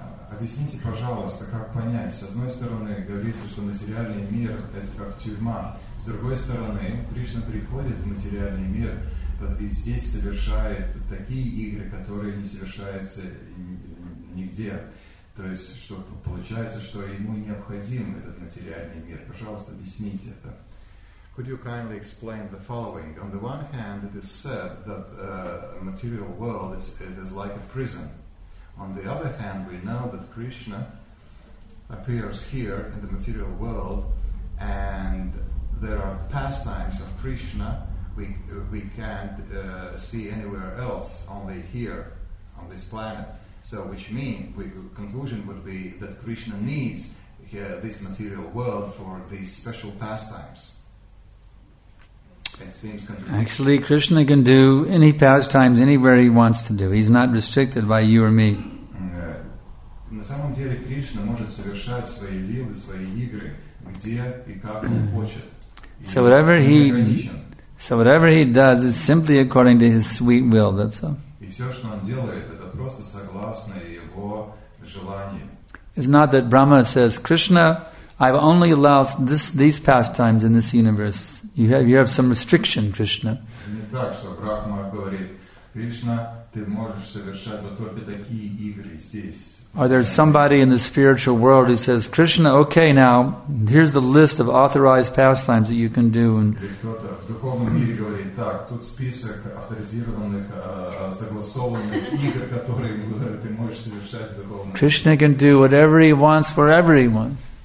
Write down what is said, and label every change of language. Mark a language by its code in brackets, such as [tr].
[ru] Объясните, пожалуйста, как понять, с одной стороны, говорится, что материальный мир – это как тюрьма, с другой стороны, Кришна приходит в материальный мир и здесь совершает такие игры, которые не совершаются нигде. То есть, что получается, что ему необходим этот материальный мир. Пожалуйста, объясните это. [en] Could you kindly explain the following? On the one hand, it is said that material world is like a prison. On the other hand, we know that Krishna appears here in the material world, and there are pastimes of Krishna we can't see anywhere else, only here on this planet. So, which means conclusion would be that Krishna needs this material world for these special pastimes. Actually, Krishna can do any pastimes anywhere he wants to do. He's not restricted by you or me. [ru] На самом деле Кришна может совершать свои лилы, свои игры, где и как он хочет. [en] So whatever he does is simply according to his sweet will. That's all. [ru] И все, что он делает, это просто согласно его желанию. [en] It's not that Brahma says, Krishna, I will only allow this, these pastimes in this universe. You have some restriction, Krishna. [ru] Не так, что Брахма говорит, Кришна, ты можешь совершать вот только такие игры здесь. [en] Or there's somebody in the spiritual world who says, Krishna, okay, now, here's the list of authorized pastimes that you can do. And Krishna can do whatever he wants for everyone.